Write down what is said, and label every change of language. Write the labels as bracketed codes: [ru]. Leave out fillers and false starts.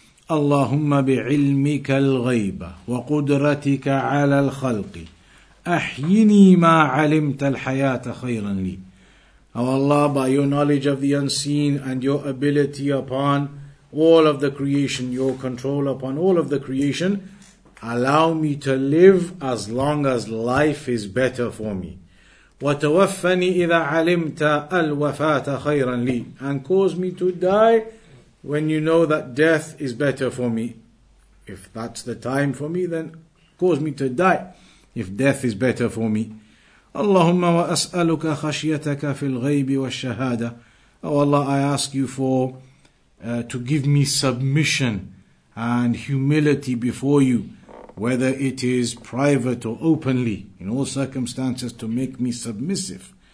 [ar] اللهم بعلمك الغيب وقدرتك على الخلق أحيني ما علمت الحياة خيرا لي. [en] Oh Allah, by your knowledge of the unseen and your ability upon all of the creation, your control upon all of the creation, allow me to live as long as life is better for me. [ar] وتوفني إذا علمت الوفاة خيرا لي. [en] And cause me to die when you know that death is better for me. If that's the time for me, then cause me to die if death is better for me. [ar] Allahumma wa as'aluka khashyataka fil ghaybi wa shahada. [en] Oh Allah, I ask you for to give me submission and humility before you, whether it is private or openly, in all circumstances to make me submissive.